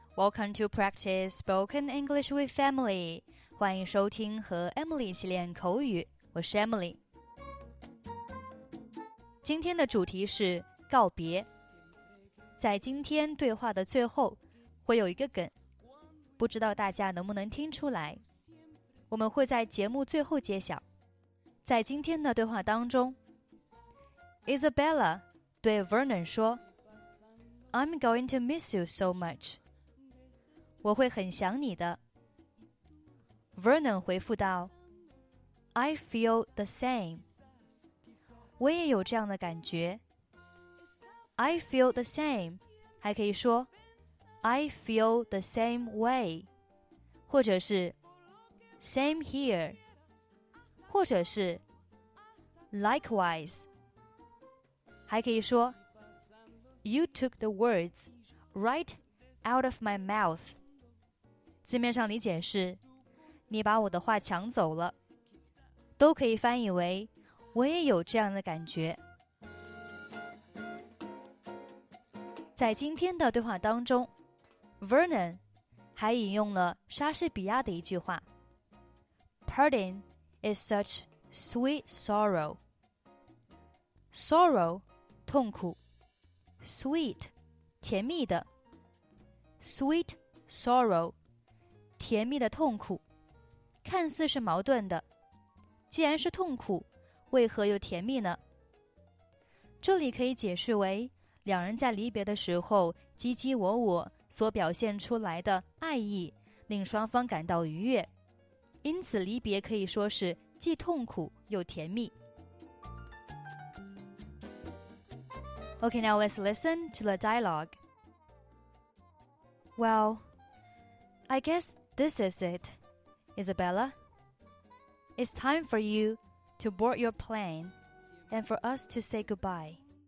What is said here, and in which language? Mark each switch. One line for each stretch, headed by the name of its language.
English: Welcome to Practice Spoken English with Emily.
Chinese: 欢迎收听和 Emily 一起练口语。我是 Emily。今天的主题是告别。在今天对话的最后，会有一个梗，不知道大家能不能听出来。我们会在节目最后揭晓。在今天的对话当中 ，Isabella 对 Vernon 说。 I'm going to miss you so much. 我会很想你的。 Vernon 回复道
English: I feel the same.
Chinese: 我也有这样的感觉。
English: I feel the same.
Chinese: 还可以说
English: I feel the same way.
Chinese: 或者是
English: Same here.
Chinese: 或者是
English: Likewise.
Chinese: 还可以说
English: You took the words right out of my mouth.
Chinese: 字面上理解是你把我的话抢走了。都可以翻译为我也有这样的感觉。在今天的对话当中 Vernon 还引用了莎士比亚的一句话
English: Parting is such sweet sorrow.
Chinese: Sorrow, 痛苦。Sweet, 甜蜜的。
English: Sweet sorrow,
Chinese: 甜蜜的痛苦。看似是矛盾的。既然是痛苦，为何又甜蜜呢？这里可以解释为，两人在离别的时候，唧唧我我所表现出来的爱意，令双方感到愉悦。因此离别可以说是既痛苦又甜蜜。
English: Okay, now let's listen to the dialogue. Well, I guess this is it, Isabella. It's time for you to board your plane and for us to say goodbye.